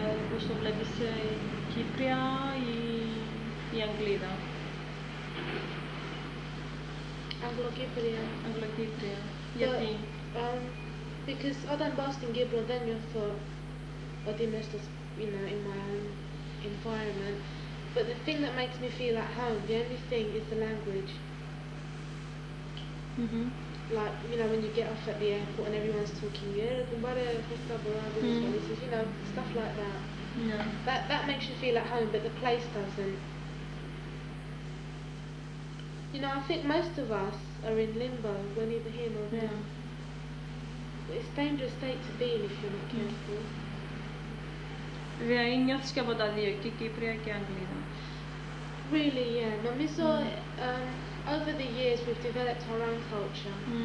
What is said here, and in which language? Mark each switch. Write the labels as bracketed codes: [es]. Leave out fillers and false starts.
[el] Πώς το βλέπεις, Κύπρια ή η Αγγλίδα? Αγγλοκύπρια. Αγγλοκύπρια. Γιατί? [en] Because [el] όταν πάω στην Κύπρο δεν νιώθω ότι είμαι στο σπίτι. [en] You know, in my own environment. But the thing that makes me feel at home, the only thing, is the language. Like, you know, when you get off at the airport and everyone's talking, you know, stuff like that. Yeah. That makes you feel at home, but the place doesn't. You know, I think most of us are in limbo. We're neither here nor there. Yeah. It's a dangerous state to be in if you're not careful. [el] Βέβαια, νιώθεις και από τα δύο, και Κύπρια και Αγγλίδα. [en] Really, yeah. [el] Νομίζω, [en] over the years we've developed our own culture.